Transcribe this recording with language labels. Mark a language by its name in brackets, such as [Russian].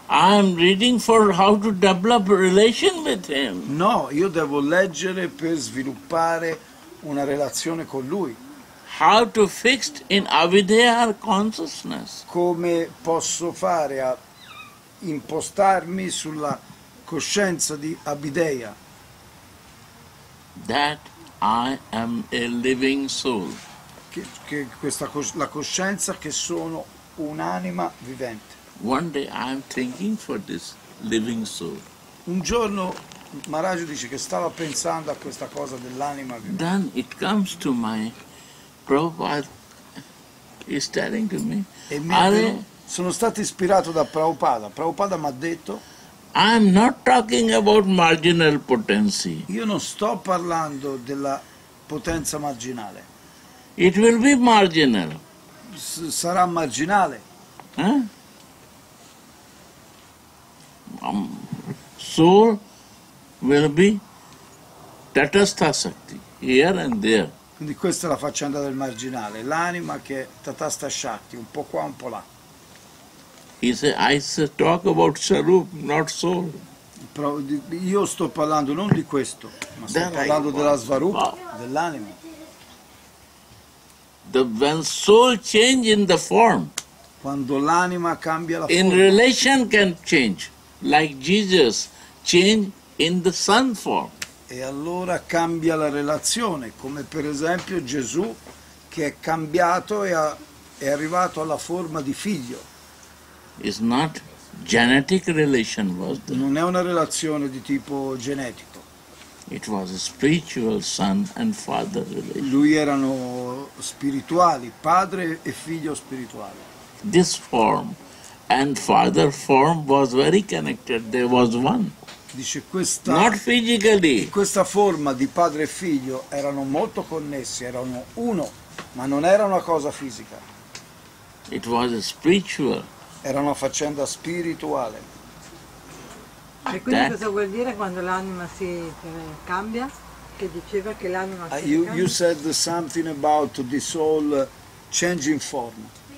[English] I'm reading for how to develop a relation with him. [Italian] No, io devo leggere per sviluppare una relazione con lui. [English] How to fix in avideha consciousness. [Italian] Come posso fare a impostarmi sulla coscienza di avideha? [English] That I am a living soul. [Italian] Che questa la coscienza che sono un'anima vivente. [English] One day I'm thinking for this living soul. [Italian] Un giorno Maharaj dice che stava pensando a questa cosa dell'anima vivente. [English] Then it comes to my Prabhupada is telling to me. [Italian] E mentre sono stato ispirato da Prabhupada. Prabhupada mi ha detto [English] I'm not talking about marginal potency. [Italian] Io non sto parlando della potenza marginale. [English] It will be marginal. [Italian] Sarà marginale. Eh? [English] Soul will be tatastha shakti here and there. [Italian] Quindi questa è la faccenda del marginale, l'anima che è tatastha shakti, un po' qua, un po' là. [English] He said, I said, talk about sarup, not soul. [Italian] Però io sto parlando non di questo, ma sto parlando della svarupa, dell'anima. [English] The when soul change in the form. [Italian] Quando l'anima cambia la forma. [English] In relation can change. Like Jesus change in the sun form. [Italian] E allora cambia la relazione, come per esempio Gesù che è cambiato e è arrivato alla forma di figlio. [English] Is not genetic relation was there. [Italian] Non è una relazione di tipo genetico. [English] It was a spiritual son and father relation. [Italian] Lui erano spirituali, padre e figlio spirituale. [English] This form and father form was very connected, there was one. [Italian] Dice questa, [English] not physically. [Italian] Questa forma di padre e figlio erano molto connessi, erano uno, ma non era una cosa fisica. [English] It was spiritual. [Italian] Era una faccenda spirituale. E quindi cosa vuol dire quando l'anima si cambia? che diceva che l'anima africana... [English] You said something about the soul changing form.